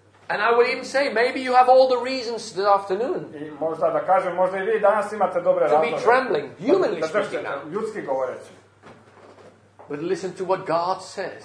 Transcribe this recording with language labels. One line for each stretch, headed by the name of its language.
English: And I would even say, maybe you have all the reasons this afternoon.
Croatian: I možda da kažem, možda I vi danas imate dobre razloge.
English: To be trembling, humanly speaking now.
Croatian: Ljudski govoreći.
English: But listen to what God says.